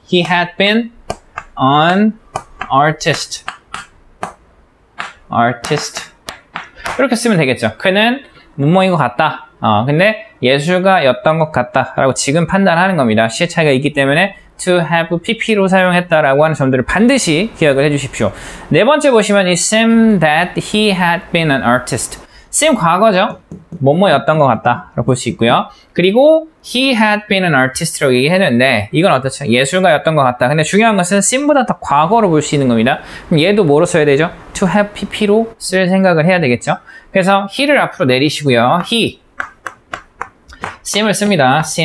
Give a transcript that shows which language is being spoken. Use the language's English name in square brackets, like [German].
[English] He had been an artist. Artist. [Korean] 이렇게 쓰면 되겠죠. 그는 문모인 것 같다. 근데 예술가였던 것 같다라고 지금 판단하는 겁니다. 시의 차이가 있기 때문에 to have PP로 사용했다라고 하는 점들을 반드시 기억을 해주십시오. 네 번째 보시면 [English] It seemed that he had been an artist. [Korean] seem 과거죠. 뭐뭐였던 것 같다 라고 볼 수 있고요. 그리고 [English] he had been an artist [Korean] 라고 얘기했는데 이건 어떻죠? 예술가였던 것 같다. 근데 중요한 것은 seem보다 더 과거로 볼 수 있는 겁니다. 그럼 얘도 뭐로 써야 되죠? to have pp로 쓸 생각을 해야 되겠죠. 그래서 he를 앞으로 내리시고요. he seem을 씁니다.